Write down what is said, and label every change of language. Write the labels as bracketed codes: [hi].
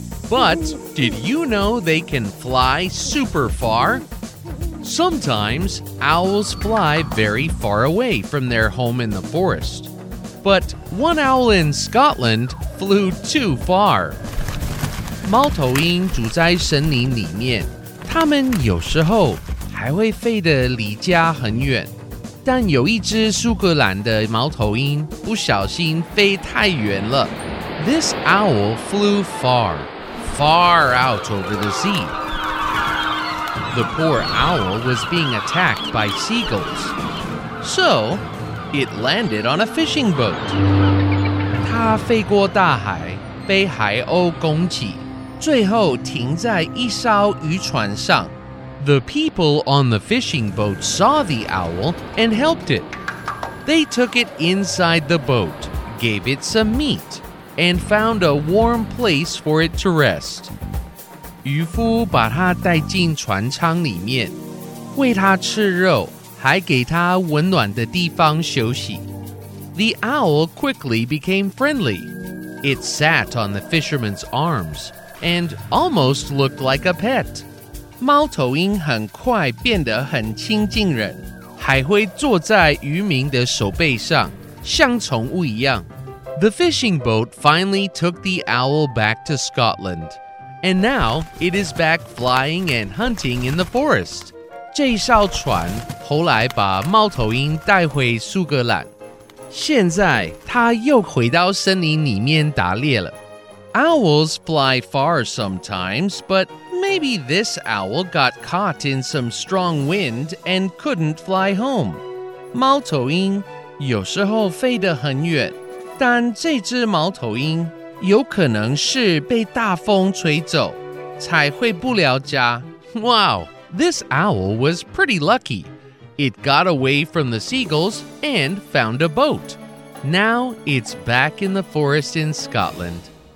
[en] But did you know they can fly super far? Sometimes owls fly very far away from their home in the forest. But one owl in Scotland flew too far. [zh] 猫头鹰住在森林里面，它们有时候还会飞得离家很远。但有一只苏格兰的猫头鹰不小心飞太远了。 [en] This owl flew far, far out over the sea. The poor owl was being attacked by seagulls. So, it landed on a fishing boat. [zh] 它飞过大海，被海鸥攻击，最后停在一艘渔船上。 [en] The people on the fishing boat saw the owl and helped it. They took it inside the boat, gave it some meat, and found a warm place for it to rest. [zh] 渔夫把它带进船舱里面，喂它吃肉，还给它温暖的地方休息。 [en] The owl quickly became friendly. It sat on the fisherman's arms and almost looked like a pet. [zh] 猫头鹰很快变得很亲近人，还会坐在渔民的手背上，像宠物一样。 [en] The fishing boat finally took the owl back to Scotland, and now it is back flying and hunting in the forest. [zh] 这艘船后来把猫头鹰带回苏格兰，现在它又回到森林里面打猎了。 [en] Owls fly far sometimes, but maybe this owl got caught in some strong wind and couldn't fly home. [zh] 猫头鹰有时候飞得很远，但这只猫头鹰有可能是被大风吹走，才回不了家。 [en] Wow, this owl was pretty lucky. It got away from the seagulls and found a boat. Now it's back in the forest in Scotland.